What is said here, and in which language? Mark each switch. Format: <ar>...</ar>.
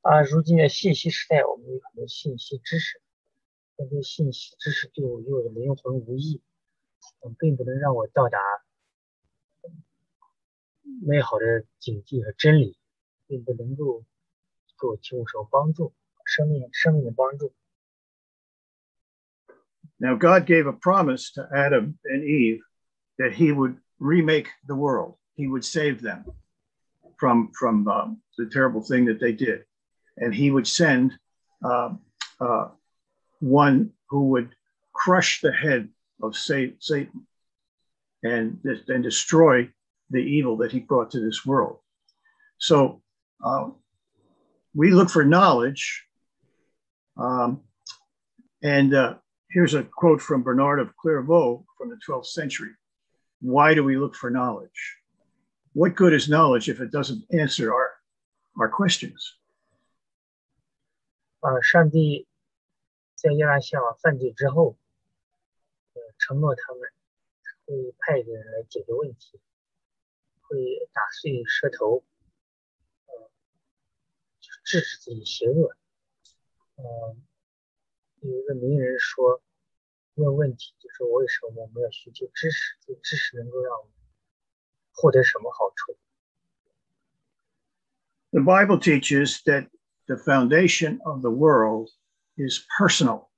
<zh>如今的信息时代，我们有很多信息知识。那些信息知识对我与我的灵魂无益，并不能让我到达美好的境界和真理，并不能够给我提供什么帮助，生命的帮助。</zh> <en>Now God gave a promise to Adam and Eve that He would remake the world. He would save them from the terrible thing that they did. and he would send one who would crush the head of Satan and destroy the evil that he brought to this world. So we look for knowledge. Here's a quote from Bernard of Clairvaux from the 12th century. Why do we look for knowledge? What good is knowledge if it doesn't answer our questions?</en> <zh>上帝在亚拉夏娃犯罪之后，承诺他们会派人来解决问题，会打碎蛇头，就制止自己邪恶。有一个名人说，问问题就是为什么我们要寻求知识，这知识能够让我们获得什么好处。</zh> <en>The Bible teaches that the foundation of the world is personal.</en>